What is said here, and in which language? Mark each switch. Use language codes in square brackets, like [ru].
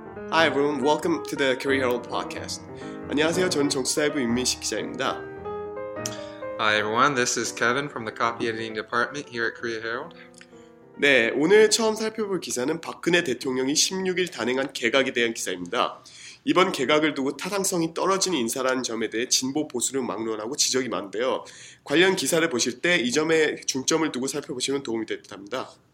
[en] Hi everyone, welcome to the Career Herald podcast. [ko] 안녕하세요, 저는 정치사회부 윤민식 기자입니다. [en] Hi everyone, this is Kevin from the copy editing department here at Career Herald. [ko] 네, 오늘 처음 살펴볼 기사는 박근혜 대통령이 16일 단행한 개각에 대한 기사입니다. 이번 개각을 두고 타당성이 떨어지는 인사라는 점에 대해 진보 보수를 막론하고 지적이 많은데요. 관련 기사를 보실 때 이 점에 중점을 두고 살펴보시면 도움이 될 듯합니다.